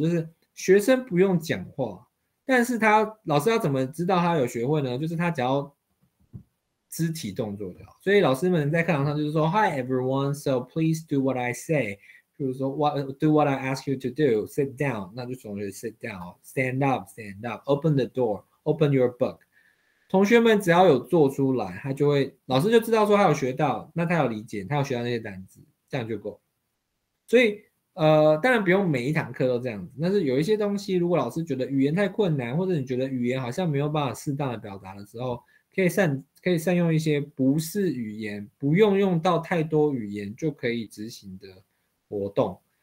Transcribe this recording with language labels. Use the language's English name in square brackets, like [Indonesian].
[Chinese] 就是学生不用讲话，但是他老师要怎么知道他有学会呢？就是他只要肢体动作就好。所以老师们在课堂上就是说 [English] Hi everyone, so please do what I say， [Chinese] 就是说 [English] do what I ask you to do， sit down， [Chinese] 那就从学 [English] sit down， stand up， stand up， open the doorOpen your book。 [Chinese] 同学们只要有做出来，他就会老师就知道说他有学到，那他有理解，他有学到那些单字，这样就够。所以当然不用每一堂课都这样子，但是有一些东西如果老师觉得语言太困难，或者你觉得语言好像没有办法适当的表达的时候，可以善用一些不是语言，不用用到太多语言就可以执行的活动。